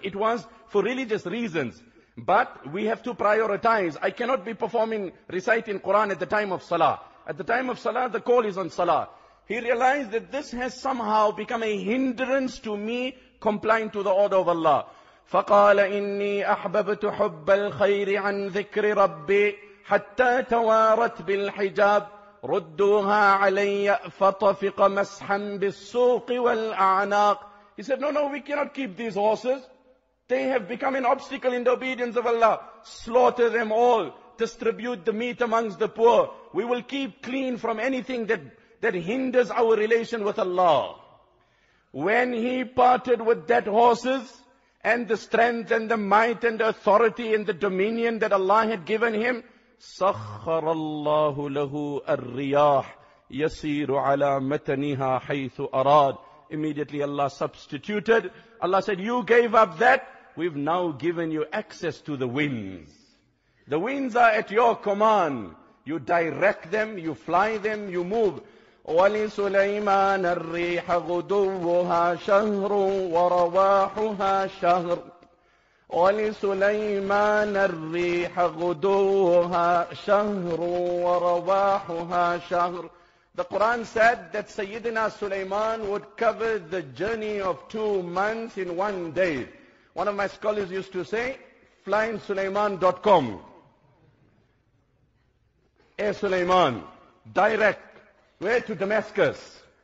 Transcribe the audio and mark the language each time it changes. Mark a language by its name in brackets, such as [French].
[English] It was for religious reasons. But we have to prioritize. I cannot be reciting Quran at the time of Salah. At the time of Salah, the call is on Salah. He realized that this has somehow become a hindrance to me complying to the order of Allah. [Arabic] فقال إني أحببت حب الخير عن ذكر ربي حتى توارت بالحجاب ردوها علي فطفق مسحا بالسوق والأعناق. [English] He said, no, we cannot keep these horses. They have become an obstacle in the obedience of Allah. Slaughter them all. Distribute the meat amongst the poor. We will keep clean from anything that hinders our relation with Allah. When he parted with that horses and the strength and the might and the authority and the dominion that Allah had given him, [Arabic] سخر الله له الرياح يسير على متنها حيث أراد. [English] Immediately Allah substituted. Allah said, you gave up that. We've now given you access to the winds. The winds are at your command. You direct them, you fly them, you move. [Arabic] ولسليمان الريح غدوها شهر ورواحها شهر ولسليمان الريح غدوها شهر ورواحها شهر. [English] The Quran said that Sayyidina Sulaiman would cover the journey of 2 months in one day. One of my scholars used to say, flyingsulaiman.com. Hey Sulaiman, direct, where to Damascus?